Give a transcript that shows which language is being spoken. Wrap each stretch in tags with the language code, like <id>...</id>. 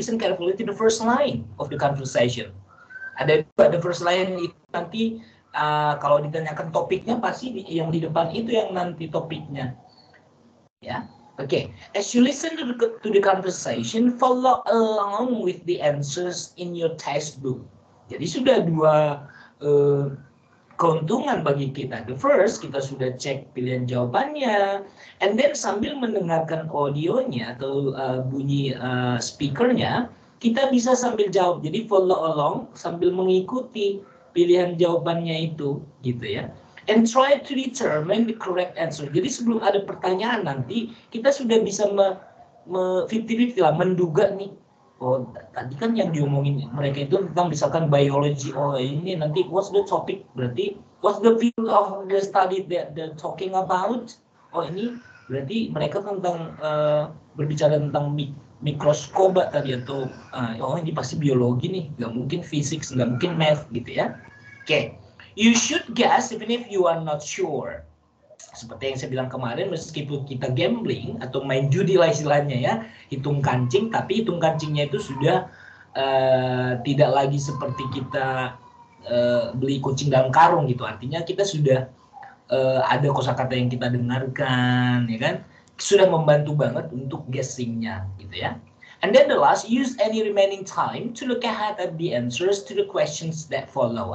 <en>Listen carefully to the first line of the conversation.</en> <id>Ada</id> <en>the first line</en> <id>itu nanti kalau ditanyakan topiknya pasti yang di depan itu yang nanti topiknya. Ya.</id> <en>Okay, as you listen to the conversation, follow along with the answers in your textbook.</en> <id>Jadi sudah dua keuntungan bagi kita.</id> <en>The first,</en> <id>kita sudah cek pilihan jawabannya,</id> <en>and then</en> <id>sambil mendengarkan audionya atau bunyi speakernya, kita bisa sambil jawab. Jadi</id> <en>follow along</en> <id>sambil mengikuti pilihan jawabannya itu, gitu ya.</id> <en>And try to determine the correct answer.</en> <id>Jadi sebelum ada pertanyaan nanti, kita sudah bisa 50-50 lah, menduga nih. Oh, tadi kan yang diomongin mereka itu tentang misalkan biology. Oh, ini nanti</id> <en>what's the topic?</en> <id>Berarti</id> <en>what's the field of the study that they're talking about?</en> <id>Oh, ini berarti mereka tentang berbicara tentang mikroskoba tadi atau ini pasti biologi nih, nggak mungkin physics, nggak mungkin math gitu ya. Oke. Okay.</id> <en>You should guess even if you are not sure.</en> <id>Seperti yang saya bilang kemarin, meskipun kita gambling atau main judi lah istilahnya ya, hitung kancing, tapi hitung kancingnya itu sudah tidak lagi seperti kita beli kucing dalam karung gitu. Artinya kita sudah ada kosakata yang kita dengarkan, ya kan? Sudah membantu banget untuk guessingnya, gitu ya.</id> <en>And then the last, use any remaining time to look ahead at the answers to the questions that follow.</en>